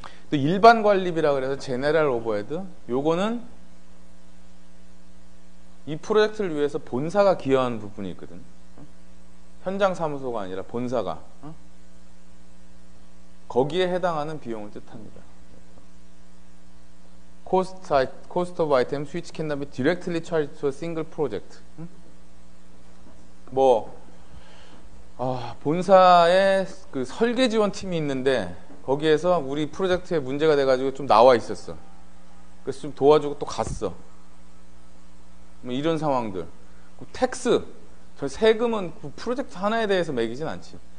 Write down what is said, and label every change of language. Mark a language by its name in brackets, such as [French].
[Korean] 또 일반 관리비라 그래서 제네랄 오버헤드, 요거는 이 프로젝트를 위해서 본사가 기여한 부분이 있거든. 현장 사무소가 아니라 본사가, 거기에 해당하는 비용을 뜻합니다. [English] Cost of items which can be directly charged to a single project. [Korean] 뭐, 본사에 그 설계 지원 팀이 있는데 거기에서 우리 프로젝트에 문제가 돼가지고 좀 나와 있었어. 그래서 좀 도와주고 또 갔어. 뭐 이런 상황들. 텍스, 저 세금은 그 프로젝트 하나에 대해서 매기진 않지.